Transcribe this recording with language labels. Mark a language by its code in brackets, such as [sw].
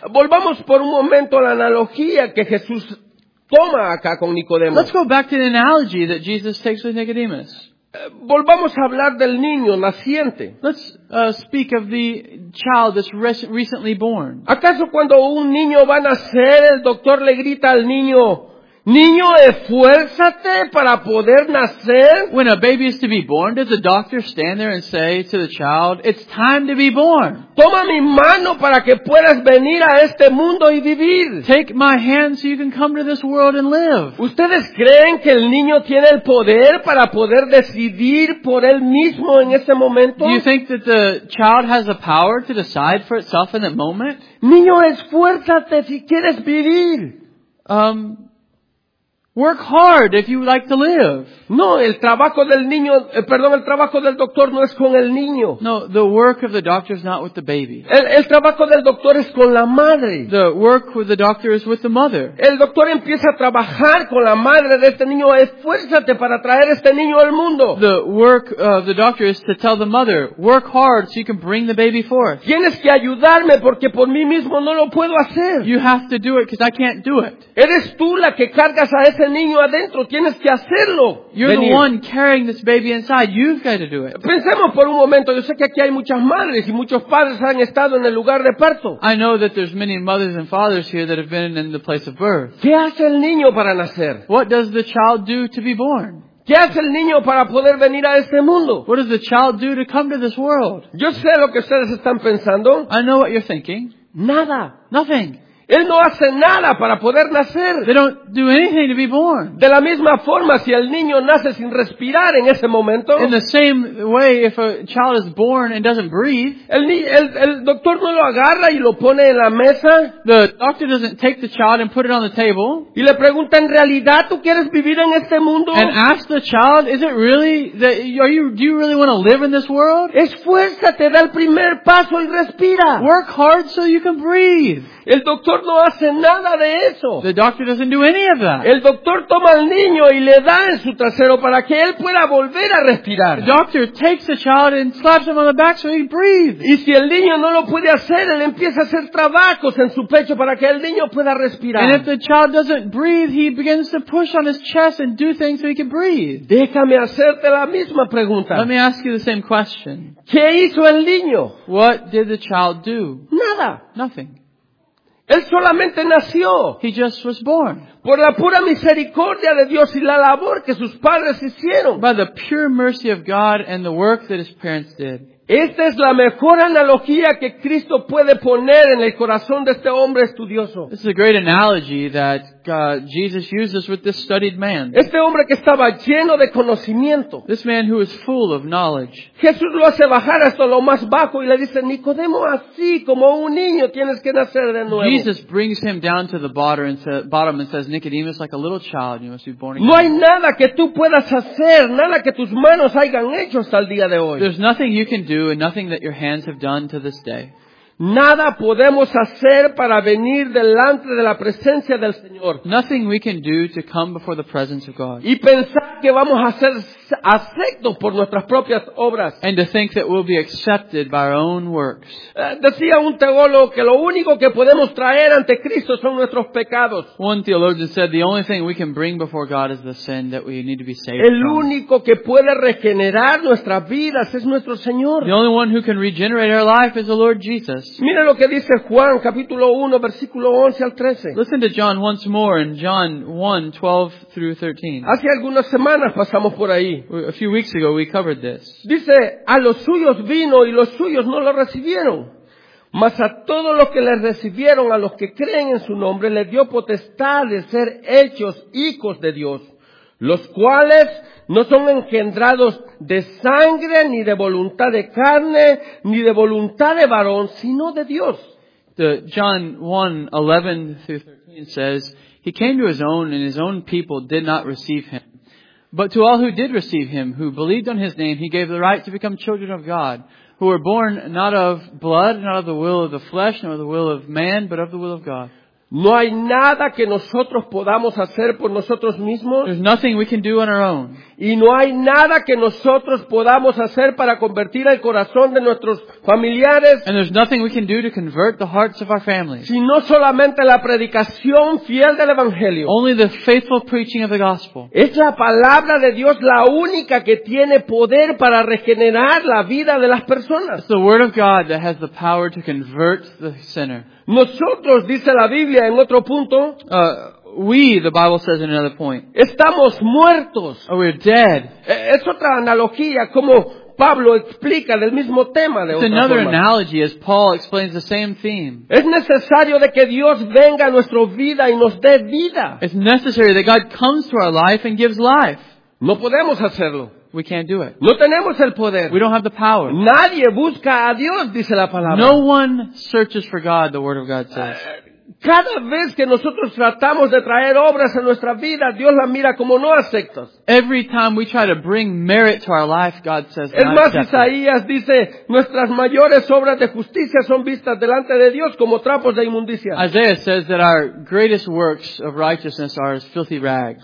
[es] Volvamos por un momento a la analogía que Jesús toma acá con Nicodemo. [en] Let's go back to the analogy that Jesus takes with Nicodemus. [es] Volvamos a hablar del niño naciente. [en] Let's speak of the child that's recently born. [es] ¿Acaso cuando un niño va a nacer, el doctor le grita al niño, niño, esfuérzate para poder nacer? [en] When a baby is to be born, does the doctor stand there and say to the child, it's time to be born? [es] Toma mi mano para que puedas venir a este mundo y vivir. [en] Take my hand so you can come to this world and live. [es] ¿Ustedes creen que el niño tiene el poder para poder decidir por él mismo en ese momento? [en] Do you think that the child has the power to decide for itself in that moment? [es] Niño, esfuérzate si quieres vivir. [en] Work hard if you like to live. [es] No, el trabajo del niño, el trabajo del doctor no es con el niño. [en] No, the work of the doctor is not with the baby. [es] El trabajo del doctor es con la madre. [en] The work with the doctor is with the mother. [es] El doctor empieza a trabajar con la madre de este niño, esfuérzate para traer este niño al mundo. [en] The work of the doctor is to tell the mother, work hard so you can bring the baby forth. [es] Tienes que ayudarme porque por mí mismo no lo puedo hacer. [en] You have to do it because I can't do it. [es] Eres tú la que cargas a ese niño adentro, tienes que hacerlo. [en] You're the one carrying this baby inside. You've got to do it. [es] Pensemos por un momento. Yo sé que aquí hay muchas madres y muchos padres han estado en el lugar de parto. [en] I know that there's many mothers and fathers here that have been in the place of birth. [es] ¿Qué hace el niño para nacer? [en] What does the child do to be born? [es] ¿Qué hace el niño para poder venir a este mundo? [en] What does the child do to come to this world? [es] Yo sé lo que ustedes están pensando. [en] I know what you're thinking. [es] Nada. [en] Nothing. [es] Él no hace nada para poder nacer. [en] They don't do anything to be born. [es] De la misma forma, si el niño nace sin respirar en ese momento, [en] in the same way, if a child is born and doesn't breathe, [es] el doctor no lo agarra y lo pone en la mesa. [en] The doctor doesn't take the child and put it on the table. [es] Y le pregunta, ¿en realidad tú quieres vivir en este mundo? [en] And ask the child, is it really that do you really want to live in this world? [es] Esfuérzate, da el primer paso y respira. [en] Work hard so you can breathe. [es] El doctor no hace nada de eso. [en] The doctor doesn't do any of that. [es] El doctor toma al niño y le da en su trasero para que él pueda volver a respirar. [en] The doctor takes the child and slaps him on the back so he can breathe. [es] Y si el niño no lo puede hacer, él empieza a hacer trabajos en su pecho para que el niño pueda respirar. [en] And if the child doesn't breathe, he begins to push on his chest and do things so he can breathe. [es] Déjame hacerte la misma pregunta. [en] Let me ask you the same question. [es] ¿Qué hizo el niño? [en] What did the child do? [es] Nada. [en] Nothing. [es] Él solamente nació. [en] He just was born. [es] Por la pura misericordia de Dios y la labor que sus padres hicieron. [en] By the pure mercy of God and the work that his parents did. [es] Esta es la mejor analogía que Cristo puede poner en el corazón de este hombre estudioso. [en] This is a great analogy that Jesus uses with this studied man. [es] Este hombre que estaba lleno de conocimiento. [en] This man who is full of knowledge. [es] Jesús lo hace bajar hasta lo más bajo y le dice, Nicodemo, así como un niño tienes que nacer de nuevo. [en] Jesus brings him down to the bottom and says, Nicodemus, like a little child, you must be born again. [es] No hay nada que tú puedas hacer, nada que tus manos hayan hecho hasta el día de hoy. [en] There's nothing you can do and nothing that your hands have done to this day. [es] Nada podemos hacer para venir delante de la presencia del Señor. [en] Nothing we can do to come before the presence of God. [es] Y pensar que vamos a ser aceptos por nuestras propias obras. [en] And to think that we'll be accepted by our own works. [es] Decía un teólogo que lo único que podemos traer ante Cristo son nuestros pecados. [en] One theologian said the only thing we can bring before God is the sin that we need to be saved from. [es] El único que puede regenerar nuestras vidas es nuestro Señor. [en] The only one who can regenerate our life is the Lord Jesus. [es] Mira lo que dice Juan capítulo 1 versículo 11 al 13. [en] Listen to John once more in John 1, 12 through 13. [es] Hace algunas semanas pasamos por ahí. [en] A few weeks ago we covered this. [es] Dice, a los suyos vino y los suyos no lo recibieron. Mas a todos los que le recibieron, a los que creen en su nombre, le dio potestad de ser hechos hijos de Dios, los cuales no son engendrados de sangre, ni de voluntad de carne, ni de voluntad de varón, sino de Dios. [en] John 1:11 through 13 says, he came to his own, and his own people did not receive him. But to all who did receive him, who believed on his name, he gave the right to become children of God, who were born not of blood, not of the will of the flesh, nor of the will of man, but of the will of God. [es] No hay nada que nosotros podamos hacer por nosotros mismos. [en] There's nothing we can do on our own. [es] Y no hay nada que nosotros podamos hacer para convertir el corazón de nuestros familiares. [en] And there's nothing we can do to convert the hearts of our families. [es] Sino solamente la predicación fiel del Evangelio. [en] Only the faithful preaching of the gospel. [es] Es la palabra de Dios la única que tiene poder para regenerar la vida de las personas. [en] It's the word of God that has the power to convert the sinner. [es] Nosotros, dice la Biblia en otro punto, [en] the Bible says in another point, [es] estamos muertos. [en] Oh, we're dead. [es] Es otra analogía como Pablo explica del mismo tema de [en] It's [es] otra [en] another [es] forma. [en] Analogy as Paul explains the same theme. [es] Es necesario de que Dios venga a nuestra vida y nos dé vida. [en] It's necessary that God comes to our life and gives life. [es] No podemos hacerlo. [en] We can't do it. [es] No tenemos el poder. [en] We don't have the power. [es] Nadie busca a Dios, dice la palabra. [en] No one searches for God, the word of God says. [es] Cada vez que nosotros tratamos de traer obras a nuestra vida, Dios las mira como no aceptas. [en] Every time we try to bring merit to our life, God says, [es] Es más, Isaías dice, nuestras mayores obras de justicia son vistas delante de Dios como trapos de inmundicia. [en] Isaiah says that our greatest works of righteousness are as filthy rags.